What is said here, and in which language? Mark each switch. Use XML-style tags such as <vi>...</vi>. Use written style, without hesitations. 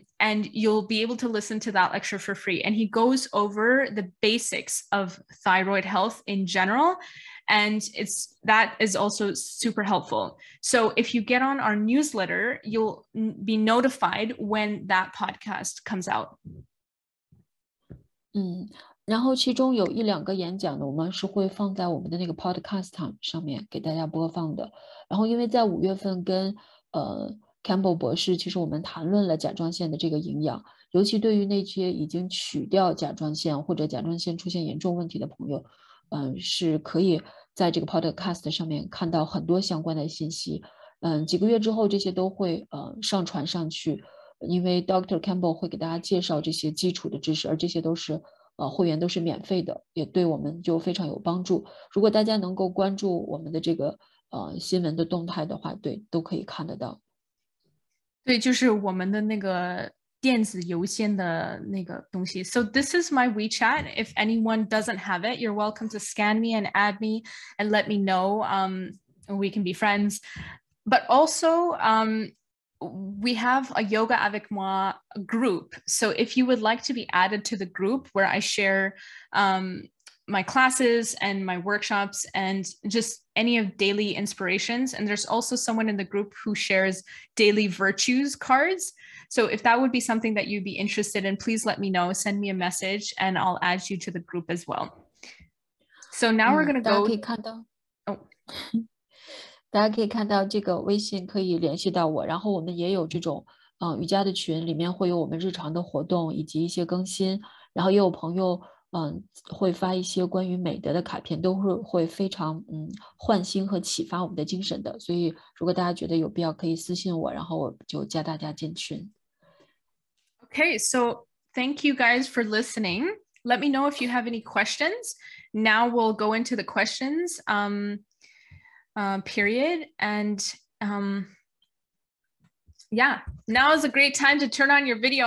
<en>And you'll be able to listen to that lecture for free. And he goes over the basics of thyroid health in general. And it's that is also super helpful. So if you get on our newsletter, you'll be notified when that podcast comes out.</en> <zh>然后其中有一两个演讲呢，我们是会放在我们的那个 podcast 上面给大家播放的。然后因为在五月份跟Campbell 博士，其实我们谈论了甲状腺的这个营养，尤其对于那些已经取掉甲状腺或者甲状腺出现严重问题的朋友，是可以在这个 podcast 上面看到很多相关的信息。几个月之后这些都会上传上去，因为 Dr. Campbell 会给大家介绍这些基础的知识，而这些都是会员都是免费的，也对我们就非常有帮助。如果大家能够关注我们的这个新闻的动态的话，对，都可以看得到。对，就是我们的那个电子邮件的那个东西。</zh> <en>So this is my WeChat. If anyone doesn't have it, you're welcome to scan me and add me and let me know. We can be friends. But also, we have a Yoga Avec Moi group. So if you would like to be added to the group where I share my classes and my workshops and just any of daily inspirations. And there's also someone in the group who shares daily virtues cards. So if that would be something that you'd be interested in, please let me know, send me a message and I'll add you to the group as well. So now we're going to go.</en> <zh>大家可以看到。</zh> <en>Oh.</en> <zh>大家可以看到这个微信可以联系到我，然后我们也有这种瑜伽的群，里面会有我们日常的活动以及一些更新，然后也有朋友会发一些关于美德的卡片，都是会非常唤醒和启发我们的精神的。所以如果大家觉得有必要，可以私信我，然后我就加大家进群。</zh> <en>Okay, so thank you guys for listening. Let me know if you have any questions. Now we'll go into the questions period. And yeah, now is a great time to turn on your video.</en>